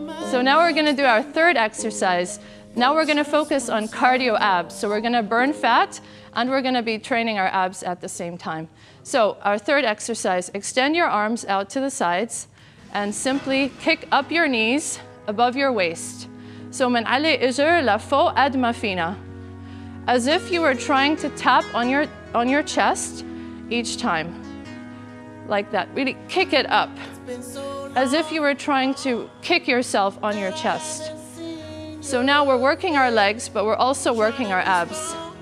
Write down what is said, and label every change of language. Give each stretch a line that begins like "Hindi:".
English: So now we're gonna do our third exercise. Now we're gonna focus on cardio abs. So we're gonna burn fat and we're gonna be training our abs at the same time. So our third exercise, extend your arms out to the sides and simply kick up your knees above your waist.
Arabic: So من علي إجر لفوق قد ما فينا.
English: As if you were trying to tap on your chest each time. Like that, really kick it up. As if you were trying to kick yourself on your chest. So now we're working our legs, but we're also working our abs.